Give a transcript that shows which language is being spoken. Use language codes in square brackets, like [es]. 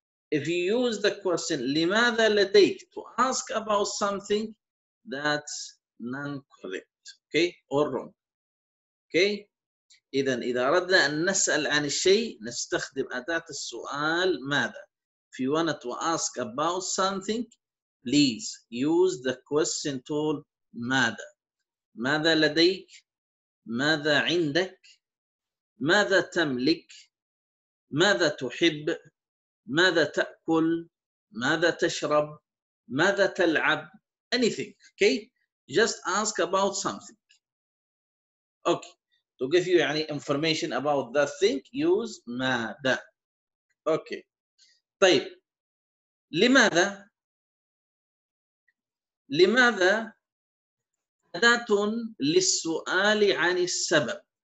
[en] If you use the question [ar] لماذا لديك [en] to ask about something, that's non-correct, okay, or wrong, okay. [ar] إذن إذا أردنا أن نسأل عن الشيء نستخدم أداة السؤال ماذا. [en] If you want to ask about something, please use the question tool ماذا. [ar] ماذا لديك, ماذا عندك, ماذا تملك, ماذا تحب, ماذا تأكل, ماذا تشرب, ماذا تلعب, [en] anything, okay. Just ask about something, okay. To give you any information about that thing, use ماذا, okay. [ar] طيب, لماذا, لماذا أداة للسؤال عن السبب.